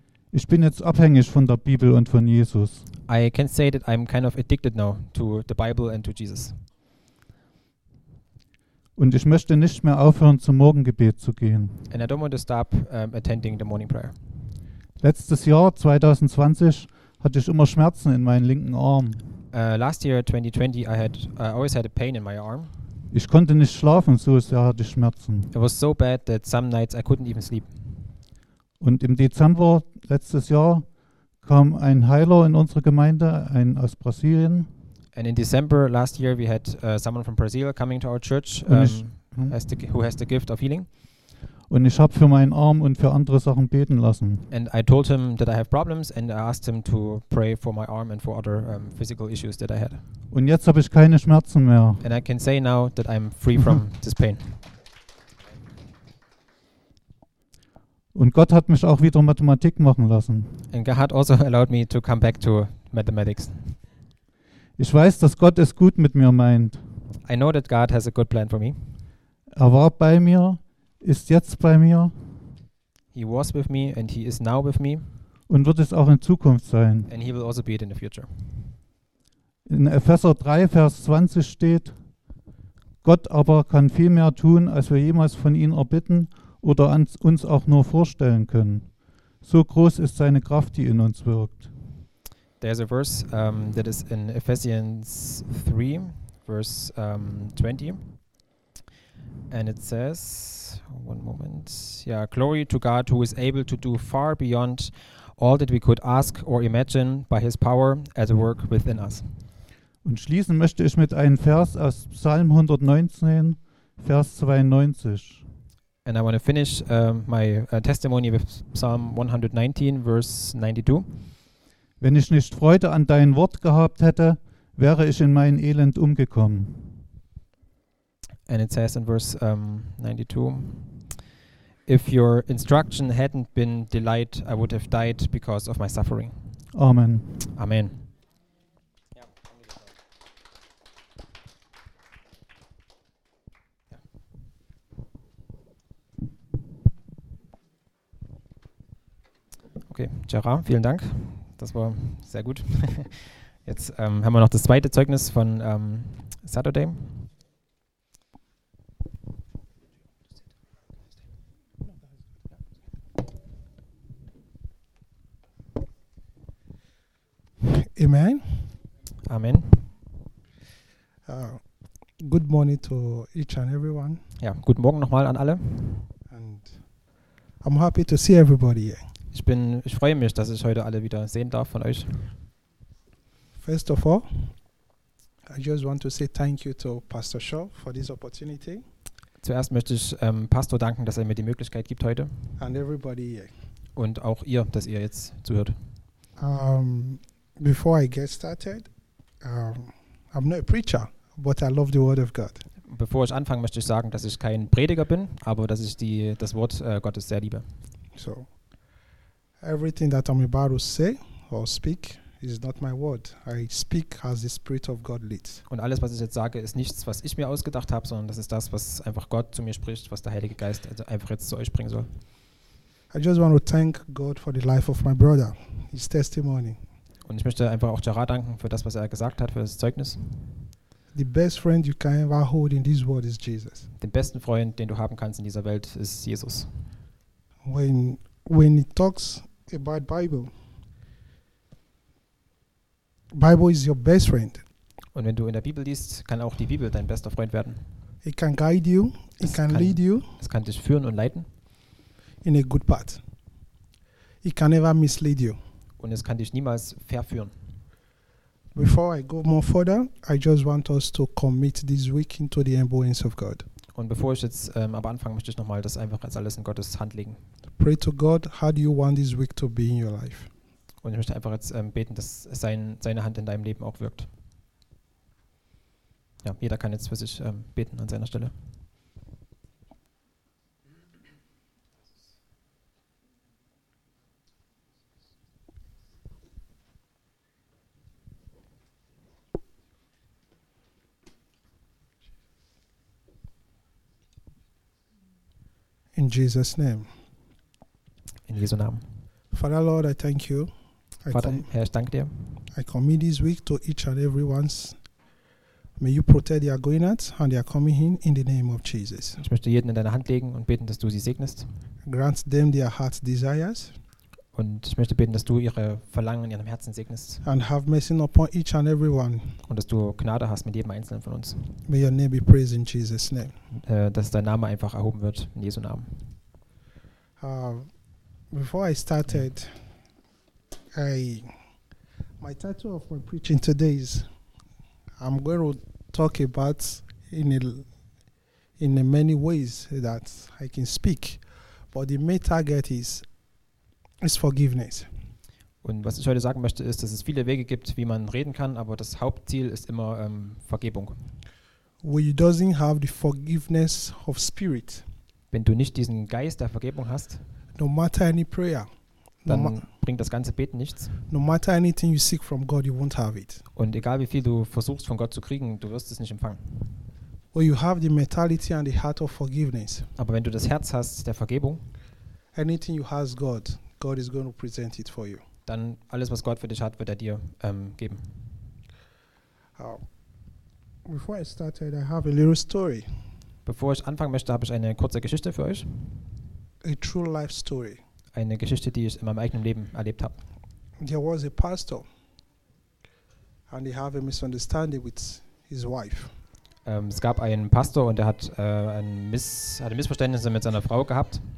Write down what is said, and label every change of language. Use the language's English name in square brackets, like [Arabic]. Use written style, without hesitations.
[German] Ich bin jetzt abhängig von der Bibel und von Jesus. [English] I can say that I'm kind of addicted now to the Bible and to Jesus. [German] Und ich möchte nicht mehr aufhören, zum Morgengebet zu gehen. [English] And I don't want to stop attending the morning prayer. [German] Letztes Jahr, 2020, hatte ich immer Schmerzen in meinem linken Arm. [English] Last year, 2020, I always had a pain in my arm. [German] Ich konnte nicht schlafen, so sehr hatte ich Schmerzen. [English] It was so bad that some nights I couldn't even sleep. [German] Und im Dezember letztes Jahr kam ein Heiler in unsere Gemeinde, ein aus Brasilien. [English] And in December last year we had someone from Brazil coming to our church who has the gift of healing. [German] Und ich habe für meinen Arm und für andere Sachen beten lassen. [English] And I told him that I have problems and I asked him to pray for my arm and for other physical issues that I had. [German] Und jetzt habe ich keine Schmerzen mehr. [English] And I can say now that I'm free from this pain. [German] Und Gott hat mich auch wieder Mathematik machen lassen. [English] And God also allowed me to come back to mathematics. [German] Ich weiß, dass Gott es gut mit mir meint. [English] I know that God has a good plan for me. [German] Er war bei mir, ist jetzt bei mir. [English] He was with me and he is now with me. [German] Und wird es auch in Zukunft sein. [English] And he will also be it in the future. [German] In Epheser 3, Vers 20 steht, Gott aber kann viel mehr tun, als wir jemals von ihm erbitten oder uns auch nur vorstellen können. So groß ist seine Kraft, die in uns wirkt. [English] There's a verse that is in Ephesians 3, verse 20. And it says, one moment. Yeah, glory to God who is able to do far beyond all that we could ask or imagine by his power at work within us. [German] Und schließen möchte ich mit einem Vers aus Psalm 119, Vers 92. [English] And I want to finish my testimony with Psalm 119, verse 92. [German] Wenn ich nicht Freude an dein Wort gehabt hätte, wäre ich in mein Elend umgekommen. [English] And it says in verse 92, if your instruction hadn't been delight, I would have died because of my suffering. Amen. Amen. [German] Okay, Gerard, vielen Dank. Das war sehr gut. Jetzt haben wir noch das zweite Zeugnis von Saturday. Amen. Amen. [English] Good morning to each and everyone. [German] Ja, guten Morgen nochmal an alle. [English] And I'm happy to see everybody here. [German] Ich freue mich, dass ich heute alle wieder sehen darf von euch. [English] First of all, I just want to say thank you to Pastor Shaw for this opportunity. [German] Zuerst möchte ich Pastor danken, dass er mir die Möglichkeit gibt heute. [English] And everybody here. [German] Und auch ihr, dass ihr jetzt zuhört. [English] Before I get started, I'm not a preacher, but I love the Word of God. [German] Bevor ich anfange, möchte ich sagen, dass ich kein Prediger bin, aber dass ich das Wort Gottes sehr liebe. [English] So, everything that I'm about to say or speak is not my word. I speak as the Spirit of God leads. [German] Und alles, was ich jetzt sage, ist nichts, was ich mir ausgedacht habe, sondern das ist das, was einfach Gott zu mir spricht, was der Heilige Geist also einfach jetzt zu euch bringen soll. [English] I just want to thank God for the life of my brother, his testimony. [German] Und ich möchte einfach auch Jarrah danken für das, was er gesagt hat, für das Zeugnis. [English] The best friend you can ever hold in this world is Jesus. [German] Den besten Freund, den du haben kannst in dieser Welt, ist Jesus. [English] When he talks about Bible, Bible is your best friend. [German] Und wenn du in der Bibel liest, kann auch die Bibel dein bester Freund werden. [English] It can guide you, it can lead you. [German] Es kann dich führen und leiten. [English] In a good path. It can never mislead you. [German] Und es kann dich niemals verführen. [English] Before I go more further, I just want us to commit this week into the embrace of God. [German] Und bevor ich jetzt aber anfange, möchte ich nochmal das einfach als alles in Gottes Hand legen. [English] Pray to God, how do you want this week to be in your life? [German] Und ich möchte einfach jetzt beten, dass seine Hand in deinem Leben auch wirkt. Ja, jeder kann jetzt für sich beten an seiner Stelle. [English] In Jesus' name. [German] In Jesu Namen. [English] Father Lord, I thank you. [German] Vater, Herr, ich danke dir. [English] I commit this week to each and everyone's. May you protect their going out and their coming in the name of Jesus. [German] Ich möchte jeden in deine Hand legen und beten, dass du sie segnest. [English] Grant them their heart's desires. [German] Und ich möchte beten, dass du ihre Verlangen in ihrem Herzen segnest. [English] And have mercy upon each and everyone. [German] Und dass du Gnade hast mit jedem Einzelnen von uns. [English] May your name be praised in Jesus' name. [German] Dass dein Name einfach erhoben wird in Jesu Namen. [English] Before I started, my title of my preaching today is I'm going to talk about in the many ways that I can speak, but the main target is forgiveness. [German] Und was ich heute sagen möchte ist, dass es viele Wege gibt, wie man reden kann, aber das Hauptziel ist immer Vergebung. [English] When you doesn't have the forgiveness of spirit, [German] wenn du nicht diesen Geist der Vergebung hast, [English] no matter any prayer, [German] dann bringt das ganze Beten nichts. [English] No matter anything you seek from God, you won't have it. [German] Und egal wie viel du versuchst von Gott zu kriegen, du wirst es nicht empfangen. [English] When you have the mentality and the heart of forgiveness, [German] aber wenn du das Herz hast der Vergebung, [English] anything you ask God, God is going to present it for you. [German] Dann alles, was Gott für dich hat, wird dir geben. [English] Before I started, I have a little story. [German] Bevor ich anfangen möchte, habe ich eine kurze Geschichte für euch. [English] A true life story. [German] Eine Geschichte, die ich in meinem eigenen Leben erlebt habe. [English] There was a pastor and he had a misunderstanding with his wife. [German] Es gab einen Pastor und er hat hatte Missverständnisse mit seiner Frau gehabt.